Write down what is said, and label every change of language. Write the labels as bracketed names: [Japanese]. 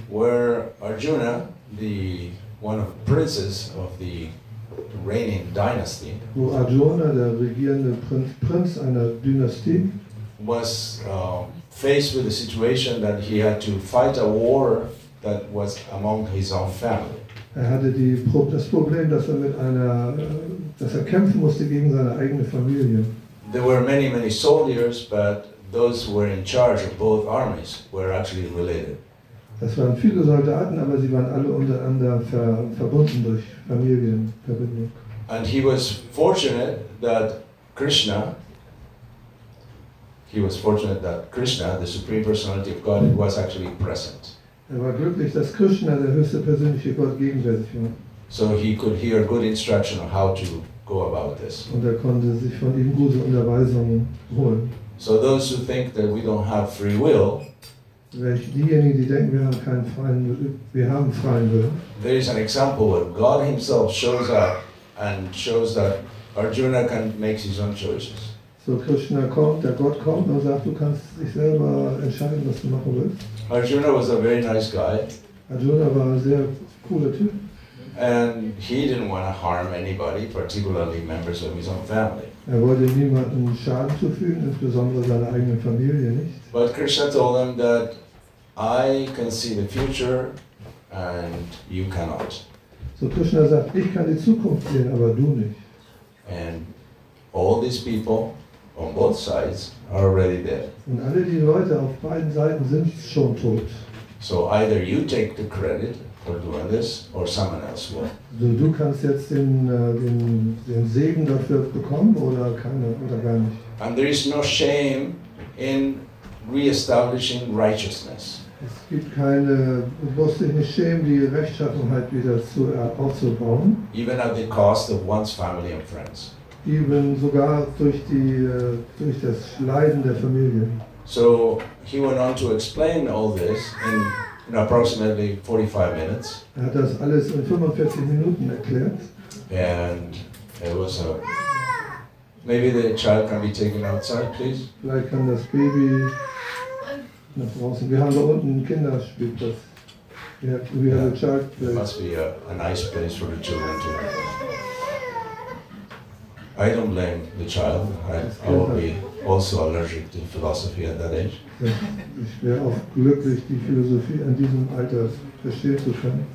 [English] Where Arjuna, the one of princes of the reigning dynasty. [German] Wo Arjuna, der regierende Prinz einer Dynastie, [English] was faced with a situation that he had to fight a war that was among his own family. [German] Er hatte das Problem, dass er kämpfen musste gegen seine eigene Familie. [English] There were many, many soldiers, but those who were in charge of both armies were actually related. [German] Das waren viele Soldaten, aber sie waren alle untereinander verbunden durch Familienverbindung. [English] And he was fortunate that Krishna, the Supreme Personality of God, was actually present. [German] Er war glücklich, dass Krishna, der höchste persönliche Gott, gegenwärtig war. [English] So he could hear good instruction on how to go about this. [German] Und konnte sich von ihm gute Unterweisungen holen. [English] So those who think that we don't have free will, [German] diejenigen, die denken, wir haben freien Willen. [English] There is an example where God himself shows up and shows that Arjuna can make his own choices. [German] So Krishna kommt, der Gott kommt und sagt, du kannst dich selber entscheiden, was du machen willst. [English] Arjuna was a very nice guy. [German] Arjuna war ein sehr cooler Typ. [English] And he didn't want to harm anybody, particularly members of his own family. [German] Er wollte niemandem Schaden zufügen, insbesondere seiner eigenen Familie nicht. [English] But Krishna told him that I can see the future and you cannot. [German] So Krishna sagt, ich kann die Zukunft sehen, aber du nicht. [English] And all these people on both sides are already dead. [German] Und alle die Leute auf beiden Seiten sind schon tot. [English] So either you take the credit for doing this, or someone else will. [German] So du kannst jetzt den Segen dafür bekommen oder keine oder gar nicht. [English] And there is no shame in reestablishing righteousness. [German] Es gibt keine bewusste Schäme, die Rechtschaffenheit wieder zu aufzubauen. [English] Even at the cost of one's family and friends. [German] Eben sogar durch das Leiden der Familie. [English] So he went on to explain all this in approximately 45 minutes. [German] Er hat das alles in 45 Minuten erklärt. [English] And it was a... Maybe the child can be taken outside, please. [German] Vielleicht kann das Baby nach draußen. Wir haben da unten ein Kinderspielplatz. [English] It must be a nice place for the children to go. I don't blame the child. I will be also allergic to philosophy at that age. [German] Ich wäre auch glücklich, die Philosophie an diesem Alter verstehen zu können.